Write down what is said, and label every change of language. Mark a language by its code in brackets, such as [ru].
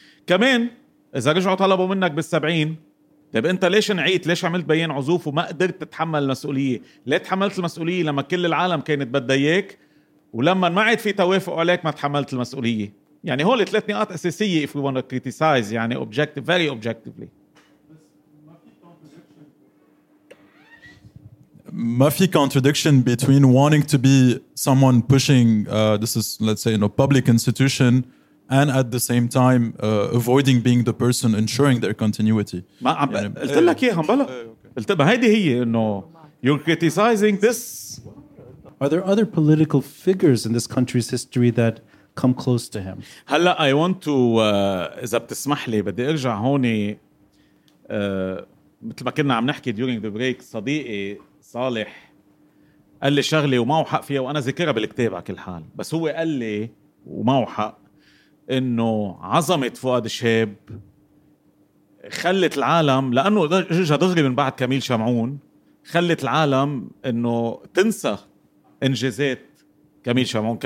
[ar] كمان اذا رجعوا طلبوا منك بال70, طيب انت ليش نعيت, ليش عملت بيان عزوف وما قدرت تتحمل المسؤوليه؟ ليه تحملت المسؤوليه لما كل العالم كانت بدها اياك, ولما ما عاد في توافق عليك ما تحملت المسؤوليه؟ يعني هول ثلاث نقاط اساسيه [en] if we want to criticize, [ar] يعني [en] objective, very objectively. [ar] ما في [en] contradiction between wanting to be someone pushing this is let's say in a public institution and at the same time avoiding being the person ensuring their continuity. [ar] ما عم قلت لك اياها بلا قلت بها, هيدي هي انه [en] you're criticizing this. Are there other political figures in this country's history that come close to him? [ar] هلا [en] I want to [ar] اذا بتسمح لي بدي ارجع هوني مثل ما كنا عم نحكي [en] during the break, [ar] صديقي صالح قال لي شغلي وما وحق فيها وانا ذكرها بالكتاب على كل حال, بس هو قال لي وما وحق انه عظمه فؤاد شهاب خلت العالم, لانه رجع دغري من بعد كميل شمعون, خلت العالم انه تنسى انجازات كميل شمعون.